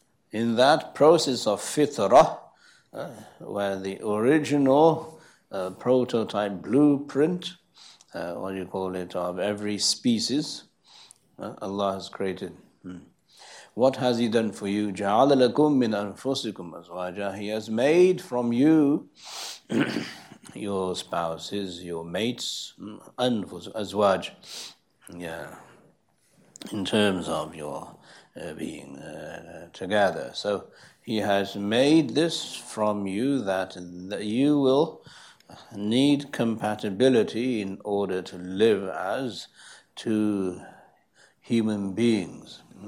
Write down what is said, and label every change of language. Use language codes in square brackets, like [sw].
[en] In that process of fitrah, where the original prototype blueprint, what you call it, of every species, Allah has created. What has He done for you? [ar] جَعَلَ لَكُم مِّنْ أَنفُسِكُمْ أَزْوَاجًا. [en] He has made from you your spouses, your mates, أَزْوَاج. Yeah. In terms of your being together. So He has made this from you that you will need compatibility in order to live as two human beings.